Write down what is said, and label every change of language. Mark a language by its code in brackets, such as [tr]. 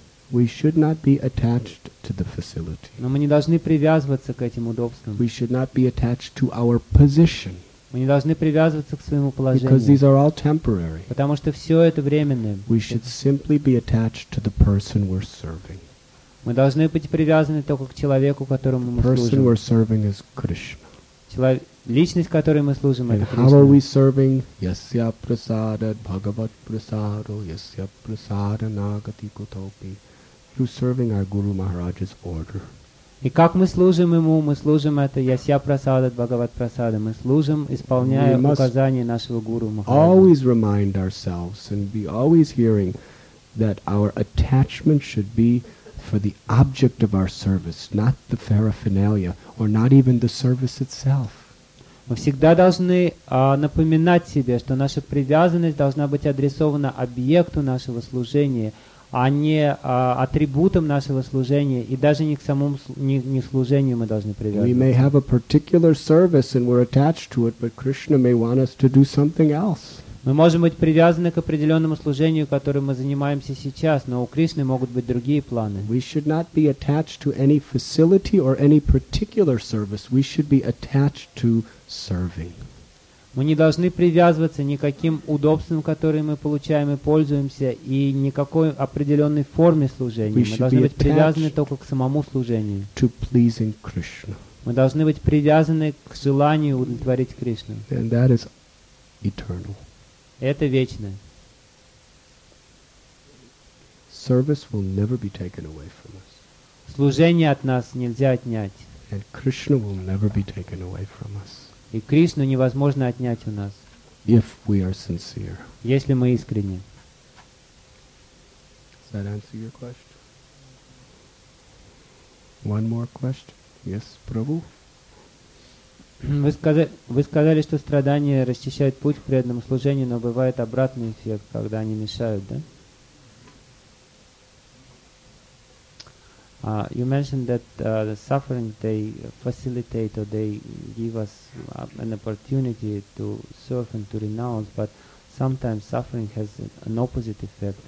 [en] We should not be attached to the facility. [ru] Но мы не должны привязываться к этим удобствам. [en] We should not be attached to our position. [ru] Мы не должны привязываться к своему положению. [en] Because these are all temporary. [ru] Потому что все это временное. [en] We should simply be attached to the person we're serving. [ru] Мы должны быть привязаны только к человеку, которому мы [en] person [ru] служим. [en] We're serving is Krishna. [ru] Личность, которой мы служим, [en] and [ru] это Кришна. [en] How are we serving? [sa] Yasya prasada bhagavat prasado, yasya prasada nagati kutopi. [en] Through serving our Guru Maharaj's order. [ru] И как мы служим ему? Мы служим это [sa] Yasya prasada bhagavat prasada. [ru] Мы служим, исполняя указания нашего Гуру Махараджа. [en] Always remind ourselves and be always hearing that our attachment should be for the object of our service, not the paraphernalia, or not even the service itself. [ru] Мы всегда должны напоминать себе, что наша привязанность должна быть адресована объекту нашего служения, а не атрибутам нашего служения, и даже не к самому не служению мы должны привязываться. [en] We may have a particular service and we're attached to it, but Krishna may want us to do something else. [ru] Мы можем быть привязаны к определенному служению, которым мы занимаемся сейчас, но у Кришны могут быть другие планы. [en] We should not be attached to any facility or any particular service. We should be attached to serving. [ru] Мы не должны привязываться ни к каким удобствам, которые мы получаем и пользуемся, и никакой определенной форме служения. [en] We [ru] мы должны быть привязаны только к самому служению. [en] To pleasing Krishna. [ru] Мы должны быть привязаны к желанию удовлетворить Кришну. [en] And that is eternal. [ru] Это вечное. [en] Service will never be taken away from us. [ru] Служение от нас нельзя отнять. [en] And Krishna will never be taken away from us. [ru] И Кришну невозможно отнять у нас. [en] If we are sincere. [ru] Если мы искренни. [en] Does that answer your question? One more question. Yes, Prabhu? [ru] Вы сказали, что страдания расчищают путь к преданному служению, но бывает обратный эффект, когда они мешают, да? [en] You mentioned that the suffering, they facilitate or they give us an opportunity to serve and to renounce, but sometimes suffering has an opposite effect.